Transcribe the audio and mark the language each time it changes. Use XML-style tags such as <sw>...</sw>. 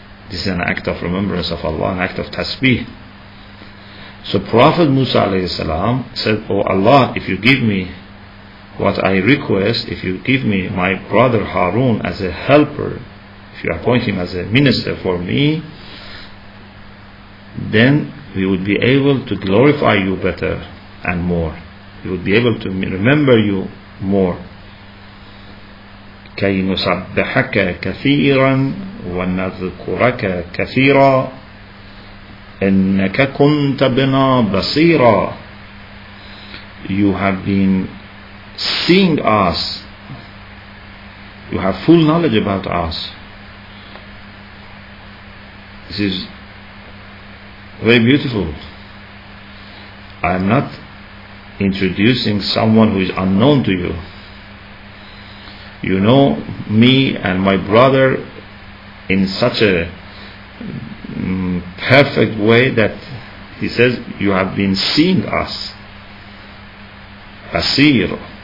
<en>This is an act of remembrance of Allah, an act of tasbih. So Prophet Musa alayhi salam said, oh Allah, if you give me what I request, if you give me my brother Harun as a helper, if you appoint him as a minister for me, then we would be able to glorify you better and more. We would be able to remember you more.</en> <ar>كَيْ نُسَبِّحَكَ كَثِيرًا وَنَذْكُرَكَ كَثِيرًا إِنَّكَ كُنْتَ بِنَا بَصِيرًا.</ar> <en>You have been seeing us You have full knowledge about us. This is very beautiful. I am not introducing someone who is unknown to you. You know me and my brother in such a perfect way that he says, you have been seeing us. Basir.</en>